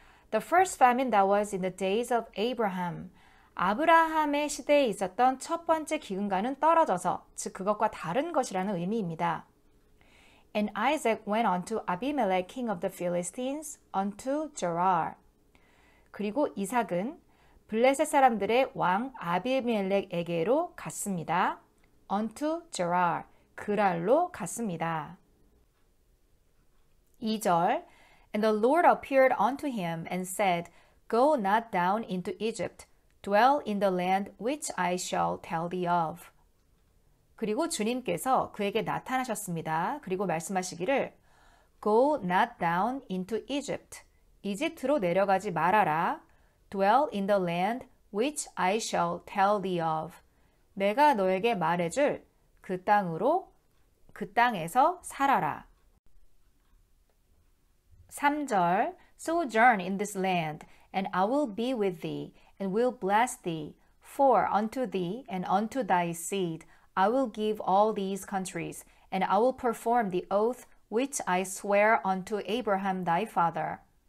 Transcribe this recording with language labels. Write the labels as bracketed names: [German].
[English] The first famine that was in the days of Abraham. [Korean] 아브라함의 시대에 있었던 첫 번째 기근과는 떨어져서, 즉 그것과 다른 것이라는 의미입니다. [English] And Isaac went unto Abimelech, king of the Philistines, unto Gerar. [Korean] 그리고 이삭은 블레셋 사람들의 왕 아비멜렉에게로 갔습니다. [English] Unto Gerar, [Korean] 그랄로 갔습니다. [English] 2절, And the Lord appeared unto him and said, Go not down into Egypt. Dwell in the land which I shall tell thee of. [Korean] 그리고 주님께서 그에게 나타나셨습니다. 그리고 말씀하시기를 [English] Go not down into Egypt. [Korean] 이집트로 내려가지 말아라. [English] Dwell in the land which I shall tell thee of. [Korean] 내가 너에게 말해줄 그 땅으로 그 땅에서 살아라. [English] 3절 Sojourn in this land, and I will be with thee. And will bless thee, for unto thee and unto thy seed I will give all these countries, and I will perform the oath which I swear unto Abraham thy father.